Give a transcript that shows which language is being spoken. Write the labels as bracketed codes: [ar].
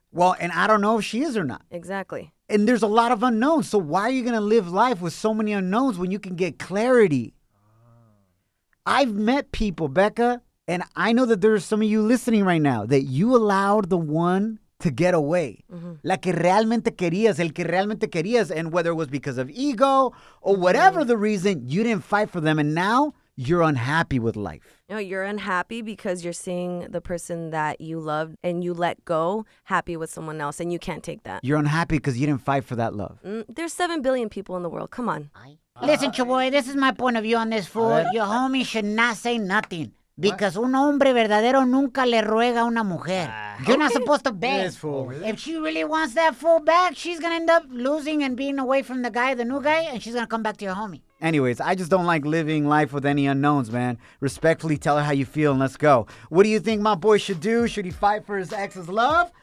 [en] Well, and I don't know if she is or not. Exactly. And there's a lot of unknowns. So why are you going to live life with so many unknowns when you can get clarity? I've met people, Becca, and I know that there are some of you listening right now that you allowed the one to get away. Mm-hmm. [es] La que realmente querías, el que realmente querías. [en] And whether it was because of ego or whatever the reason, you didn't fight for them. And now you're unhappy with life. No, you're unhappy because you're seeing the person that you loved and you let go happy with someone else and you can't take that. You're unhappy because you didn't fight for that love. There's 7 billion people in the world. Come on. Listen, Chaboy, this is my point of view on this fool. Your homie should not say nothing. Because [es] un hombre verdadero nunca le ruega a una mujer. [en] You're not supposed to beg. Yes, fool. If she really wants that fool back, she's going to end up losing and being away from the guy, the new guy, and she's going to come back to your homie. Anyways, I just don't like living life with any unknowns, man. Respectfully, tell her how you feel and let's go. What do you think my boy should do? Should he fight for his ex's love?